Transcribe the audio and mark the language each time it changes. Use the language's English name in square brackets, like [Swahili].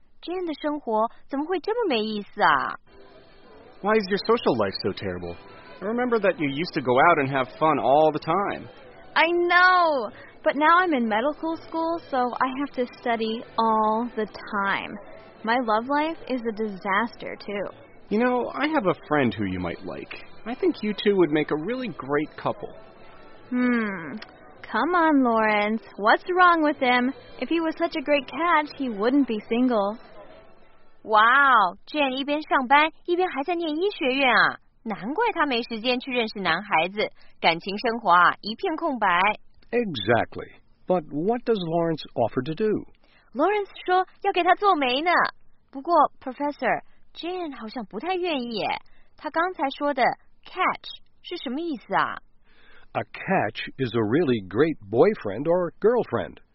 [Chinese] Jen 的生活怎么会这么没意思啊？ [English] Why is your social life so terrible? I remember that you used to go out and have fun all the time. I know, but now I'm in medical school, so I have to study all the time. My love life is a disaster, too. You know, I have a friend who you might like. I think you two would make a really great couple. Come on, Lawrence. What's wrong with him? If he was such a great catch, he wouldn't be single. [Chinese] 哇哦，Jen一边上班一边还在念医学院啊，难怪他没时间去认识男孩子，感情生活啊一片空白。 [English] Exactly, but what does Lawrence offer to do? [Chinese] Lawrence 说要给他做媒呢。不过 Professor, Jen 好像不太愿意。他刚才说的 catch 是什么意思啊？ [English] A catch is a really great boyfriend or girlfriend.